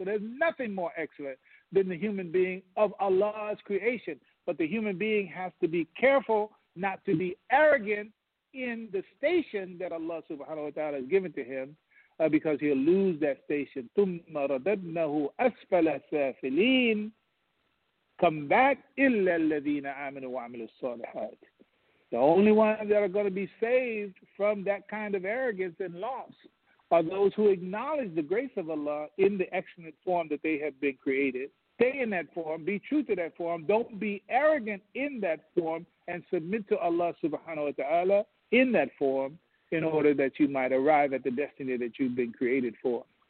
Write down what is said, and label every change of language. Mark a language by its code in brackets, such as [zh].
[en] So there's nothing more excellent than the human being of Allah's creation. But the human being has to be careful not to be arrogant in the station that Allah subhanahu wa ta'ala has given to him, because he'll lose that station. [ar] ثُمَّ رَدَدْنَهُ أَسْفَلَ سَافِلِينَ. [en] Come back, [ar] إِلَّا الَّذِينَ آمِنُوا وَعَمِلُوا الصَّالِحَاتِ. [en] The only ones that are going to be saved from that kind of arrogance and loss are those who acknowledge the grace of Allah in the excellent form that they have been created. Stay in that form, be true to that form, don't be arrogant in that form, and submit to Allah subhanahu wa ta'ala in that form in order that you might arrive at the destiny that you've been created for.